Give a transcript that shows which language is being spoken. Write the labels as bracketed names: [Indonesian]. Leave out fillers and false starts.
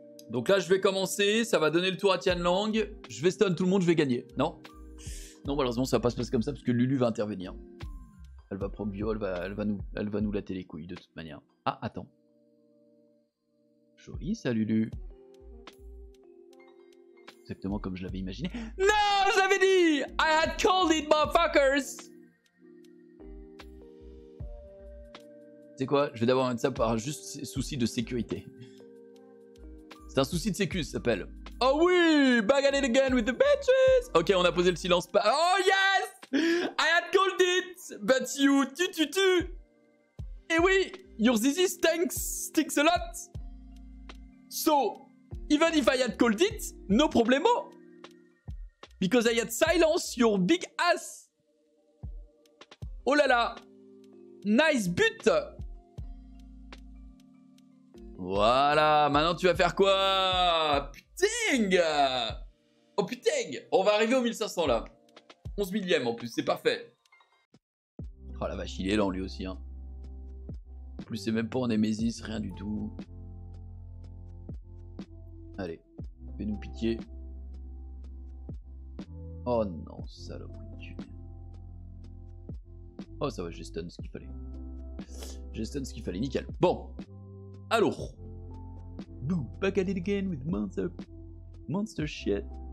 [French] Donc là, je vais commencer, ça va donner le tour à Tianlang. Je vais stun tout le monde, je vais gagner. Non? Non, malheureusement, ça va pas se passer comme ça parce que Lulu va intervenir. Elle va prendre bio, elle va nous latter les couilles de toute manière. Ah, attends. Joli ça, Lulu. Exactement comme je l'avais imaginé. Non, je l'avais dit! [English] I had called it, motherfuckers! [French] Tu sais quoi? Je vais d'abord mettre ça par juste souci de sécurité. C'est un souci de sécu, ça s'appelle. Oh oui! [English] Back at it again with the bitches! [French] Ok, on a posé le silence. [English] Oh yes! I had called it! But you, [French] tu. Et oui, [English] your ZZ stinks a lot. So... Even if I had called it, no problemo. Because I had silenced your big ass. [French] Oh là là. [English] Nice but. [French] Voilà, maintenant tu vas faire quoi? Putain. Oh putain. On va arriver au 1500 là. 11 millième en plus, c'est parfait. Oh la vache, il est lent lui aussi. Hein. En plus, c'est même pas en Nemesis, rien du tout. Allez, fais-nous pitié. Oh non, saloperie de tunnel. Oh, ça va, j'ai stun ce qu'il fallait. J'ai stun ce qu'il fallait, nickel. Bon, alors. [English] Boo, back at it again with monster shit.